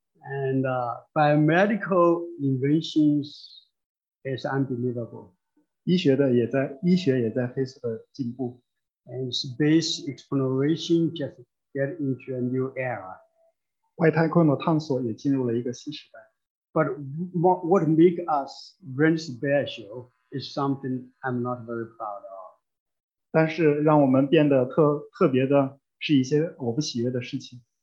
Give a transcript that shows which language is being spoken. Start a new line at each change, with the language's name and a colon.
English: And biomedical inventions is unbelievable.
Chinese: 医学也在飞速的进步.
English: And space exploration just get into a new era.
Chinese: 外太空的探索也进入了一个新时代.
English: But what makes us really special is something I'm not very proud of.
Chinese: 但是让我们变得特别的是一些我不喜悦的事情.